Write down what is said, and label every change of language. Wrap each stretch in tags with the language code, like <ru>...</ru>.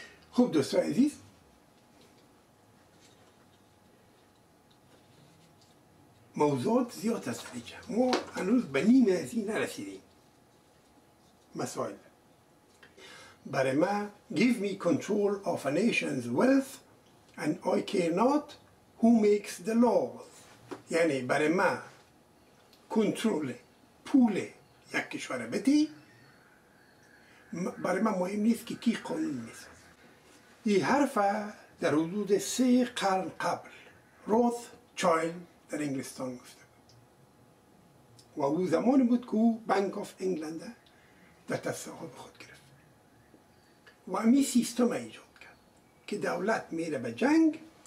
<fa>خوب دوستان عزیز، موضوعات زیاد است، ما هنوز به نیم از این نرسیدیم مسائل. برای ما</fa> <en>give me control of a nation's wealth and I care not who makes the laws.</en> <fa>یعنی برای ما کنترل پول یک کشور بدی، برای ما مهم نیست که کی قانون میسازد. این حرف در حدود 3 قرن قبل روث چایلد در انگلستان گفته بود و او زمان بود که بانک آف انگلند در تصاحب خود گرفت و امی سیستم ایجاد کرد که دولت میره به جنگ.</fa>